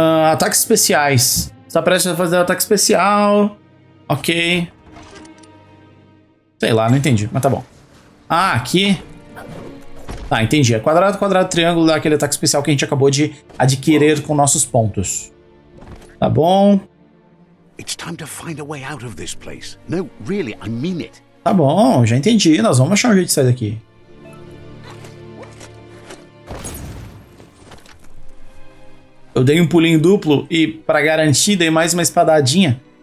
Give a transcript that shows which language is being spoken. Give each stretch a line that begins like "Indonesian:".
Portuguese: Ataques especiais. Está prestes a fazer ataque especial. Ok. Sei lá, não entendi, mas tá bom. Ah, aqui. Tá, entendi. É quadrado, quadrado, triângulo, daquele ataque especial que a gente acabou de adquirir com nossos pontos. Tá bom.
English: It's time to find a way out of this place. No, really, I mean it.
Portuguese: Tá bom, já entendi. Nós vamos achar um jeito de sair daqui. Eu dei um pulinho duplo e, pra garantir, dei mais uma espadadinha.